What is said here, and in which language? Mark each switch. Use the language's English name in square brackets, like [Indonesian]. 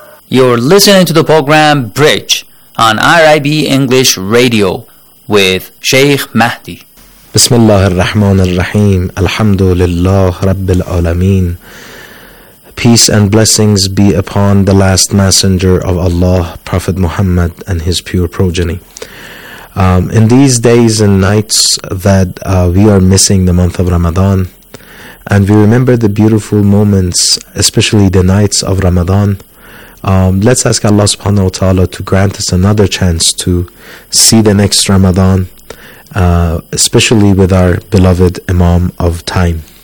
[English] You're listening to the program Bridge on RIB English Radio with Sheikh Mahdi. [Arabic] بسم الله الرحمن الرحيم الحمد لله رب العالمين. [English] Peace and blessings be upon the last messenger of Allah, Prophet Muhammad, and his pure progeny. In these days and nights that we are missing the month of Ramadan, and we remember the beautiful moments, especially the nights of Ramadan, let's ask Allah subhanahu wa ta'ala to grant us another chance to see the next Ramadan, especially with our beloved Imam of time.